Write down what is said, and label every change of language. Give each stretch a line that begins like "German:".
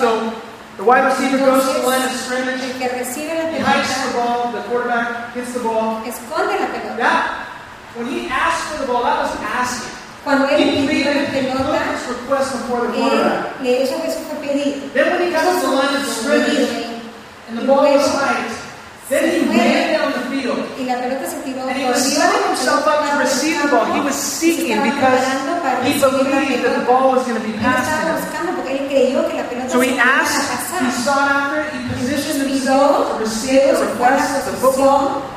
English: So the wide receiver goes to the line of scrimmage.
Spanish: El que recibe la pelota,
English: he hikes the ball, the quarterback gets the ball.
Spanish: Esconde la pelota.
English: That, when he asked for the ball, that was asking.
Spanish: Cuando él pidió la pelota, eso fue pedir.
English: Then when he got to the line of scrimmage and the ball was hiked, then he ran down the field.
Spanish: Y la pelota se tiró,
English: and he was setting himself up to receive the ball. He was seeking because he believed that the ball was going to be passed to him. So he asked, he sought after it, he positioned himself to receive the request of the football.